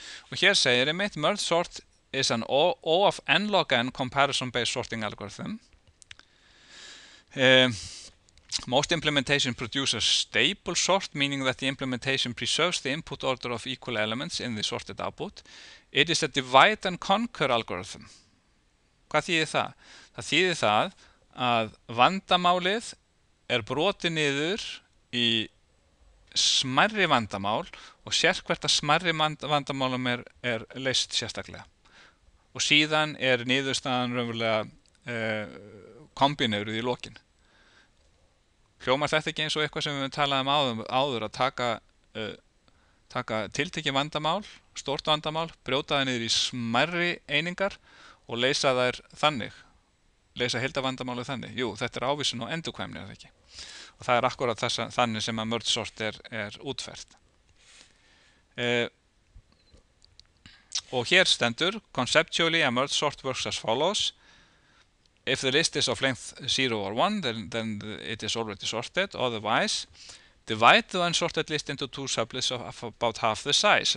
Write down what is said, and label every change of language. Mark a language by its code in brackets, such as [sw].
[is] Og hér segir einmitt [en] merge sort is an O of n log n comparison based sorting algorithm. Most implementation produces stable sort, meaning that the implementation preserves the input order of equal elements in the sorted output. It is a divide and conquer algorithm. [is] Hvað þýðir það? Það þýðir það að vandamálið er brotið niður í smærri vandamál og sérhvert að smærri vandamálum er leyst sérstaklega. Og síðan er niðurstaðan raunverulega kombineruð í lokin. Hljómar þetta ekki eins og eitthvað sem við talaðum áður að taka tiltekið vandamál, stórt vandamál, brjóta það niður í smærri einingar og leysa þær þannig. Leysa heildarvandamálið þannig. Jú, þetta er ávísun og endurkvæmni er ekki. Og það er akkurat þessa, þannig sem að merge sort er útfært. Og hér stendur, [en] conceptually a merge sort works as follows. If the list is of length 0 or 1, then it is already sorted. Otherwise, divide the unsorted list into two sublists of about half the size.